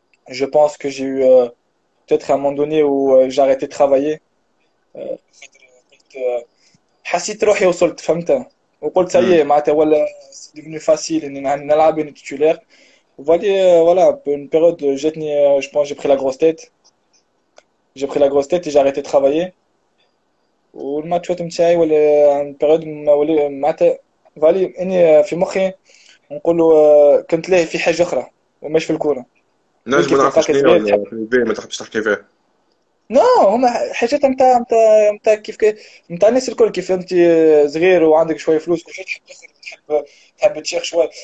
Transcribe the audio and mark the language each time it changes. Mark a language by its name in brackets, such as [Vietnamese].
[French] je pense que j'ai eu peut-être à un moment donné où j'ai arrêté de travailler. [Arabic] حسيت روحي وصلت، فهمت، وقلت [French] ça y est [Arabic] معناتها ولا [French] c'est devenu facile [Arabic] اني نلعب اني تيتولير. [French] voilà une période [Arabic] جاتني، [French] je pense j'ai pris la grosse tête. J'ai pris la grosse tête et j'ai arrêté de travailler. [Arabic] والماتشات نتاعي ولا عن بيريود ما ولي معناتها فالي اني في مخي نقولوا كنت لاهي في حاجة أخرى وماش في الكورة. قلت نجم كيف نعرف هكاك شنو هي صغير ولا تحب في البيت ما تحبش تحكي فيها؟ نو هما حاجات نتاع كيف نتاع الناس الكل، كيف انت صغير وعندك شوية فلوس كل شيء تحب تخرج تحب تشيخ شوية.